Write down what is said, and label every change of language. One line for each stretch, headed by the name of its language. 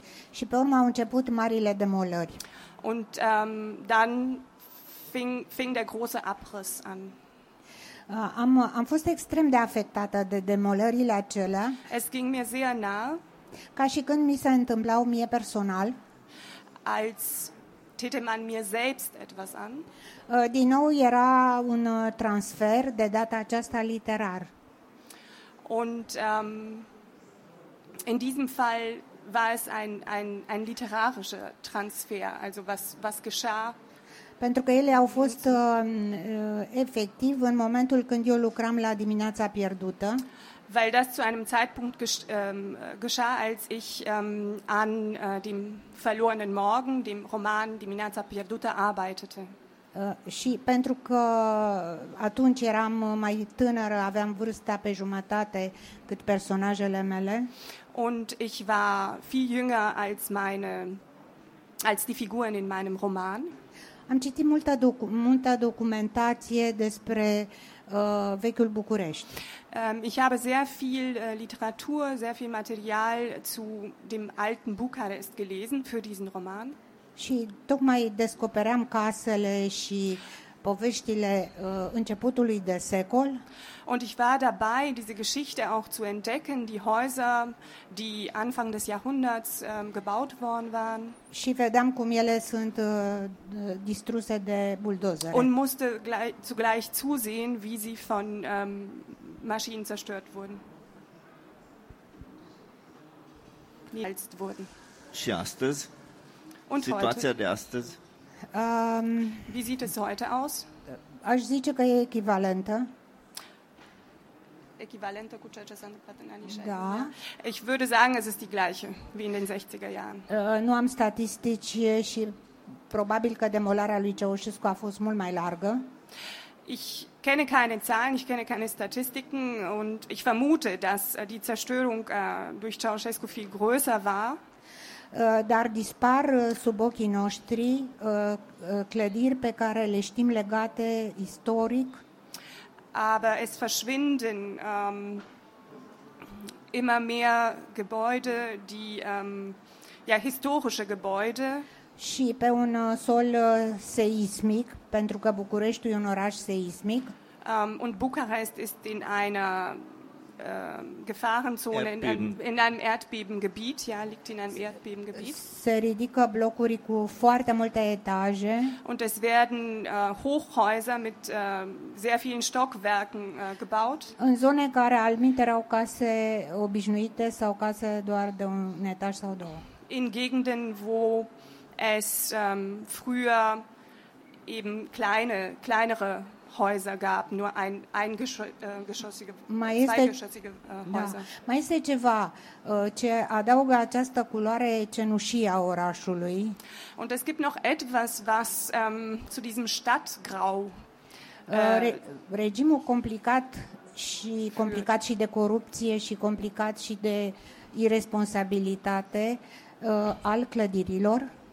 Romanian: Și pe urmă au început marile demolări.
German: Und dann fing der große Abriss an.
Romanian: Am fost extrem de afectată de demolările acelea.
German: Es ging mir sehr nah.
Romanian: Ca și când mi se întâmplau mie personal.
German: Als täte man mir selbst etwas an.
Romanian: Din nou era un transfer, de data aceasta literar.
German: Und in diesem Fall war es ein literarischer Transfer, also was geschah?
Romanian: Pentru că ele au fost efectiv în momentul când eu lucram la Dimineața Pierdută.
German: Weil das zu einem Zeitpunkt geschah, als ich an dem verlorenen Morgen, dem Roman Dimineața Pierdută, arbeitete.
Romanian: Și pentru că atunci eram mai tânără, aveam vârsta pe jumătate cât personajele mele.
German: Und ich war viel jünger als die Figuren in meinem Roman.
Romanian: Am citit multă documentație despre vechiul București.
German: Ich habe sehr viel Literatur, sehr viel Material zu dem alten Bucharest gelesen für diesen Roman.
Romanian: Și tocmai descopeream casele și poveștile începutului de secol.
German: Und ich war dabei, diese Geschichte auch zu entdecken, die Häuser, die Anfang des Jahrhunderts gebaut worden waren.
Romanian: Și vedeam cum ele sunt distruse de buldozere.
German: Und musste zugleich zusehen, wie sie von Maschinen zerstört wurden. Nielst wurden.
Romanian: Și astăzi?
German: Und
Romanian: situația
German: heute?
Romanian: De astăzi?
German: Wie sieht es heute aus?
Romanian: Aș zice că e echivalentă.
German: Äquivalente
Romanian: cu ceea ce s-a întâmplat în anii 60. Da.
German: Ich würde sagen, es ist die gleiche wie in den 60er Jahren.
Romanian: Nu am statistici și probabil că demolarea lui Ceaușescu a fost mult mai largă.
German: Ich kenne keine Zahlen, ich kenne keine Statistiken und ich vermute, dass die Zerstörung durch Ceaușescu viel größer war.
Romanian: Dar dispar sub ochii noștri clădiri pe care le știm legate istoric.
German: Aber es verschwinden immer mehr Gebäude, die ja historische Gebäude.
Romanian: Și pe un sol seismic, pentru că Bucureștiul e un oraș seismic.
German: Und Bucharest ist in einer Gefahrenzone, in einem Erdbebengebiet, ja, liegt in einem Erdbebengebiet.
Romanian: Se ridică blocuri cu foarte multe etaje.
German: Und es werden Hochhäuser mit sehr vielen Stockwerken gebaut.
Romanian: În zone care alminte erau case obișnuite sau case doar de un etaj sau două.
German: In Gegenden, wo es früher eben kleinere Häuser gab, nur zweigeschossige Häuser.
Romanian: Da. Mai este ceva ce adaugă această culoare cenușie a orașului.
German: Und es gibt noch etwas, was zu diesem Stadtgrau
Romanian: regimul complicat și de corupție și complicat și de irresponsabilitate al clădirilor.